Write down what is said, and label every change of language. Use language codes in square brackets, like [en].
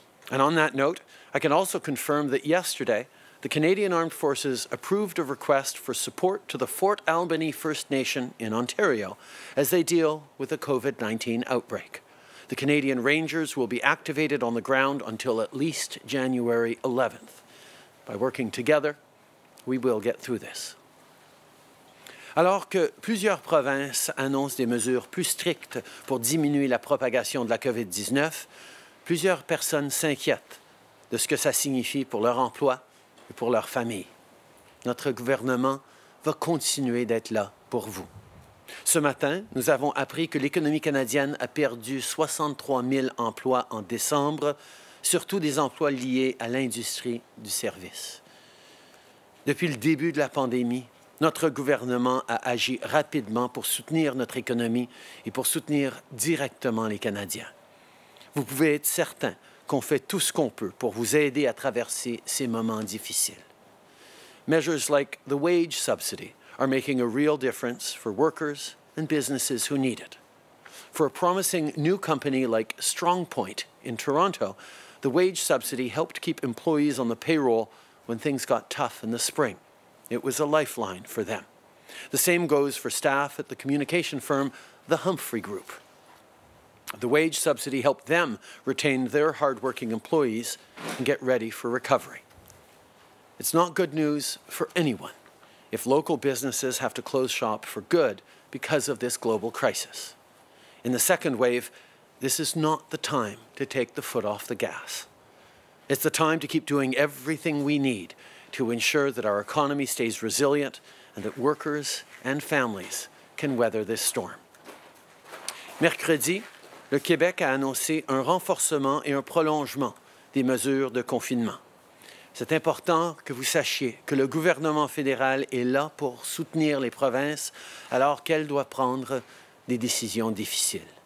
[en] And on that note, I can also confirm that yesterday, the Canadian Armed Forces approved a request for support to the Fort Albany First Nation in Ontario as they deal with a COVID-19 outbreak. The Canadian Rangers will be activated on the ground until at least January 11th. By working together, we will get through this. [fr] Alors que plusieurs provinces annoncent des mesures plus strictes pour diminuer la propagation de la COVID-19, plusieurs personnes s'inquiètent de ce que ça signifie pour leur emploi et pour leur famille. Notre gouvernement va continuer d'être là pour vous. Ce matin, nous avons appris que l'économie canadienne a perdu 63 000 emplois en décembre, surtout des emplois liés à l'industrie du service. Depuis le début de la pandémie, notre gouvernement a agi rapidement pour soutenir notre économie et pour soutenir directement les Canadiens. Vous pouvez être certain qu'on fait tout ce qu'on peut pour vous aider à traverser ces moments difficiles. [en] Measures like the wage subsidy are making a real difference for workers and businesses who need it. For a promising new company like StrongPoint in Toronto, the wage subsidy helped keep employees on the payroll when things got tough in the spring. It was a lifeline for them. The same goes for staff at the communication firm, the Humphrey Group. The wage subsidy helped them retain their hardworking employees and get ready for recovery. It's not good news for anyone if local businesses have to close shop for good because of this global crisis. In the second wave, this is not the time to take the foot off the gas. It's the time to keep doing everything we need to ensure that our economy stays resilient and that workers and families can weather this storm. [fr] Mercredi, le Québec a annoncé un renforcement et un prolongement des mesures de confinement. C'est important que vous sachiez que le gouvernement fédéral est là pour soutenir les provinces alors qu'elles doivent prendre des décisions difficiles.